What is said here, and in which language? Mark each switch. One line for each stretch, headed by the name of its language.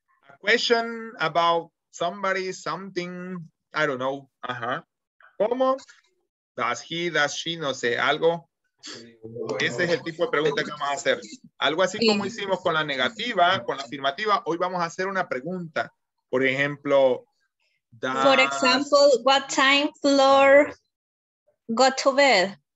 English: A question about somebody, something, I don't know.
Spanish: Ajá. ¿Cómo?
English: Does he, does she,
Spanish: no sé, algo. Ese es el tipo de pregunta que vamos a hacer. Algo así como hicimos con la negativa, con la afirmativa, hoy vamos a hacer una pregunta. Por ejemplo,
English: does... For example, what time Flor got to bed?